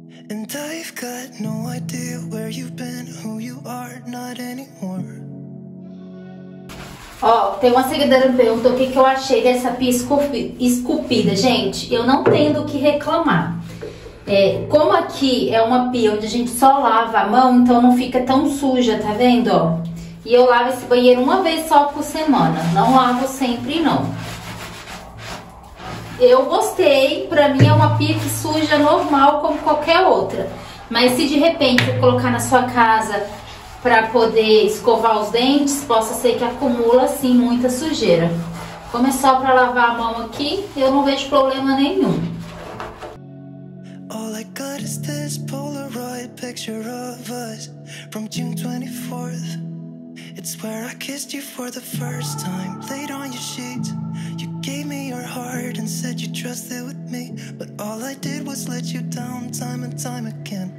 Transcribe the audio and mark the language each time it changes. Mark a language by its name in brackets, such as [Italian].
[English] And I've got no idea where you've been, who you are, not anymore. [Portuguese] Ó, tem uma seguidora que perguntou o que eu achei dessa pia esculpida. Gente, eu não tenho do que reclamar. É, como aqui é uma pia onde a gente só lava a mão, então não fica tão suja, tá vendo? Ó, e eu lavo esse banheiro uma vez só por semana. Não lavo sempre, não. Eu gostei, pra mim é uma pia que suja normal como qualquer outra. Mas se de repente eu colocar na sua casa pra poder escovar os dentes, possa ser que acumula assim muita sujeira. Como é só pra lavar a mão aqui, eu não vejo problema nenhum. [English] All I got is this Polaroid picture of us from June 24th. It's where I kissed you for the first time, laid on your sheet. You gave me your heart and said you trusted with me, but all I did was let you down time and time again.